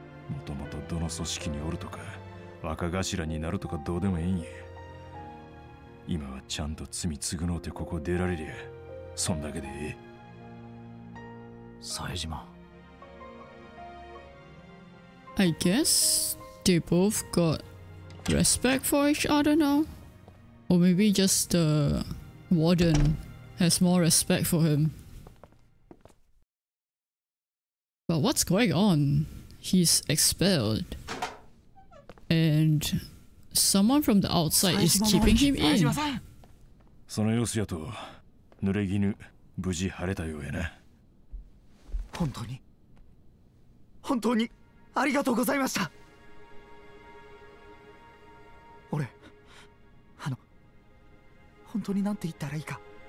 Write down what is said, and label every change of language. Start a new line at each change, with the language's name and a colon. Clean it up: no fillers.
Japanese: もともとどの組織におるとか若頭になるとかどうでもええんや。今はちゃんと罪償ってここ出られりゃそんだけでええ。サエジマ、
English: I guess they both got respect for each other now? Or maybe just the warden has more respect for him. But what's going on? He's expelled. And someone from the outside is keeping him in.
Japanese: その様子やと、濡れ衣無事晴れたようやな。本当に、本当にありがとうございました。俺、本当になんて言ったらいいか。